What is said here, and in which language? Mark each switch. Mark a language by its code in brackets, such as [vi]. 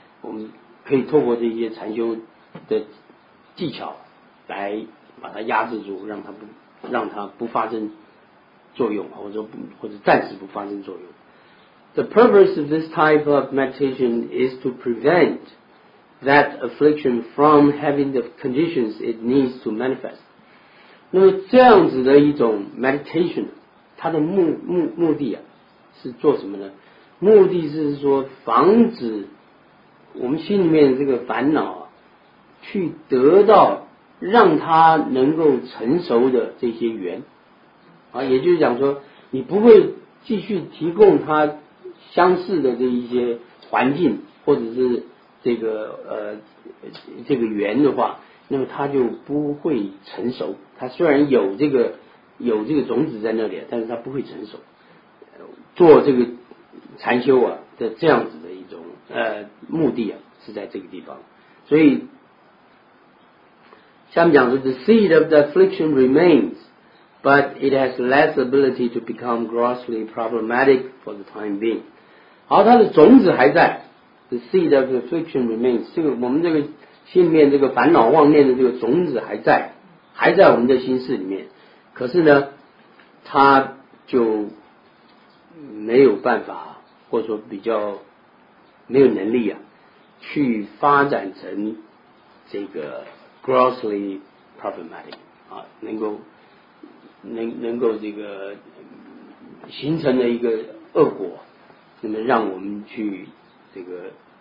[zh] 我们可以透过这些禅修的技巧来把它压制住，让它不发生作用，或者暂时不发生作用。 [en] The purpose of this type of meditation is to prevent that affliction from having the conditions it needs to manifest. [zh] 那么这样子的一种 meditation, 它的目的啊是做什么呢？目的是说防止我们心里面这个烦恼啊去得到让它能够成熟的这些缘。啊，也就是讲说你不会继续提供它相似的这一些环境或者是这个缘的话，那么它就不会成熟。它虽然有这个种子在那里，但是它不会成熟。做这个禅修啊的这样子的一种目的啊，是在这个地方。所以下面讲的是 [en] The seed of the affliction remains, but it has less ability to become grossly problematic for the time being. [zh] 好，它的种子还在。 [en] The seed of the affliction remains. [zh] 这个我们这个心里面这个烦恼妄念的这个种子还在我们的心事里面，可是呢它就没有办法，或者说比较没有能力啊去发展成这个 [en] grossly problematic [zh] 啊，能够这个形成了一个恶果，那么让我们去这个